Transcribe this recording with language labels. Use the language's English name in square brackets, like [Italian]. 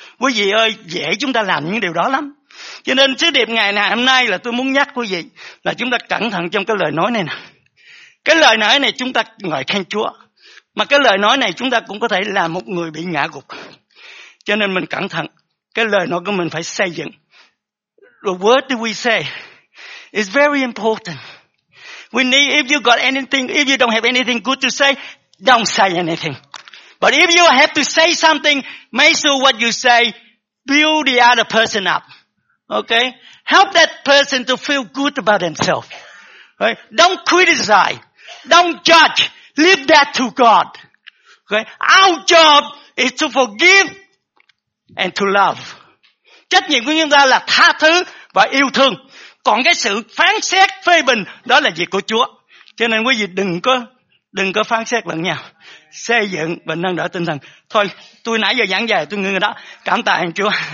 [Vietnamese] Quý vị ơi, dễ chúng ta làm những điều đó lắm. Cho nên sứ điệp ngày này, hôm nay là tôi muốn nhắc quý vị là chúng ta cẩn thận trong cái lời nói này nè. Cái lời nói này chúng ta ngợi khen Chúa, mà cái lời nói này chúng ta cũng có thể làm một người bị ngã gục. Cho nên mình cẩn thận, cái lời nói của mình phải xây dựng. [English] The word that we say is very important. We need, if you got anything, if you don't have anything good to say, don't say anything. But if you have to say something, make sure what you say build the other person up. Okay? Help that person to feel good about themselves. Right? Don't criticize. Don't judge. Leave that to God. Okay? Our job is to forgive and to love. [Vietnamese] Trách nhiệm của chúng ta là tha thứ và yêu thương. Còn cái sự phán xét, phê bình, đó là việc của Chúa. Cho nên quý vị đừng có phán xét lẫn nhau. Xây dựng và nâng đỡ tinh thần. Thôi, tôi nãy giờ giảng dài, tôi ngưng rồi đó. Cảm tạ anh Chúa.